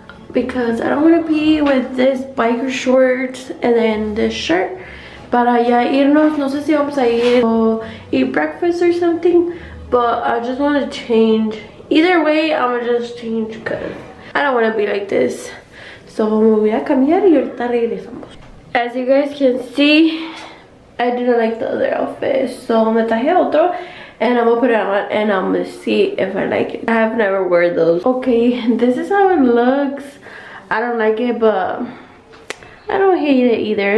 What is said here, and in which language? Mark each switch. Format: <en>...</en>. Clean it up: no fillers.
<en>Because I don't want to be with this biker shorts and then this shirt.</en> <es>Para ya irnos, no sé si vamos a ir o</es> <en>eat breakfast or something. But I just want to change. Either way, I'm going to just change because I don't want to be like this.</en> <es>So me voy a cambiar y ahorita regresamos.</es> <en>As you guys can see, I didn't like the other outfit. So</en> <es>me traje otro.</es> <en>And I'm gonna put it on and I'm gonna see if I like it. I have never worn those. Okay, this is how it looks. I don't like it, but I don't hate it either.</en>